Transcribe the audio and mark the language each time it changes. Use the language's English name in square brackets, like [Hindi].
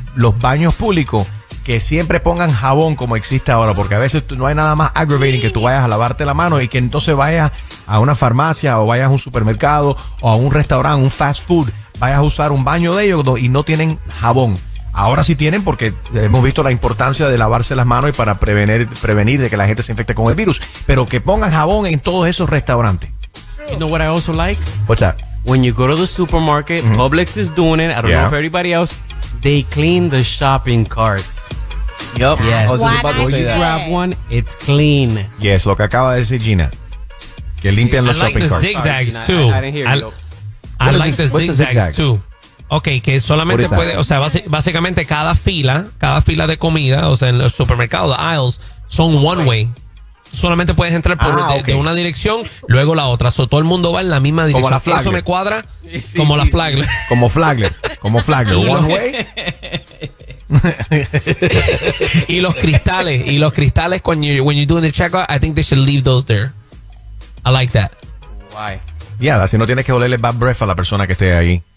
[Spanish] los baños públicos, que siempre pongan jabón como existe ahora, porque a veces no hay nada más aggravating que tú vayas a lavarte la mano y que entonces vayas a una farmacia o vayas a un supermercado o a un restaurante, un fast food, vayas a usar un baño de ellos y no tienen jabón. Ahora sí tienen, porque hemos visto la importancia de lavarse las manos y para prevenir de que la gente se infecte con el virus, pero que pongan jabón en todos esos restaurantes. [English] You know what I also like? What's that? When you go to the supermarket, mm-hmm. Publix is doing it. I don't know if everybody else. They clean the shopping carts. Yep. Yes. You grab one, it's clean. [Spanish] Yes, lo que acaba de decir Gina. Que limpian los shopping carts. [English] I like the zigzags, sorry, too. I like the zigzags, too. [Spanish] Okay, que solamente puede, o sea, básicamente cada fila de comida, o sea, en el supermercado, the aisles, son one way. Solamente puedes entrar por de una dirección, luego la otra. So, todo el mundo va en la misma dirección. Como la Flagler. Eso me cuadra. Sí, como la Flagler. Como Flagler. Como Flagler. One way. Y los cristales. Y los cristales, [English] when you're doing the checkout, I think they should leave those there. I like that. Why? [Spanish] Yeah, así no tienes que olerle bad breath a la persona que esté ahí.